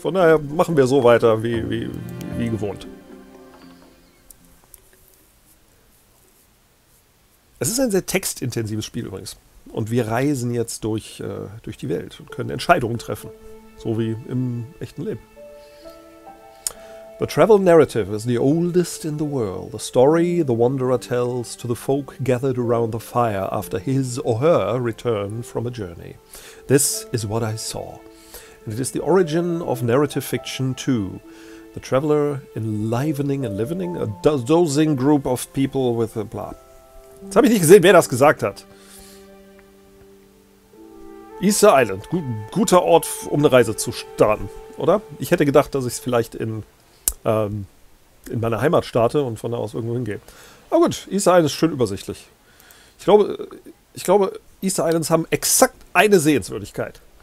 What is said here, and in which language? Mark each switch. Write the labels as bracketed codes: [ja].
[de] Von daher machen wir so weiter wie gewohnt. Es ist ein sehr textintensives Spiel übrigens. Und wir reisen jetzt durch die Welt und können Entscheidungen treffen. So wie im echten Leben. [en] The travel narrative is the oldest in the world. The story the wanderer tells to the folk gathered around the fire after his or her return from a journey. This is what I saw. And it is the origin of narrative fiction too. The traveler enlivening and livening a dozing group of people with a blah. [de] Jetzt habe ich nicht gesehen, wer das gesagt hat. Easter Island. Guter Ort, um eine Reise zu starten, oder? Ich hätte gedacht, dass ich es vielleicht in meiner Heimat starte und von da aus irgendwo hingehe. Aber gut, Easter Island ist schön übersichtlich. Ich glaube, Easter Islands haben exakt eine Sehenswürdigkeit.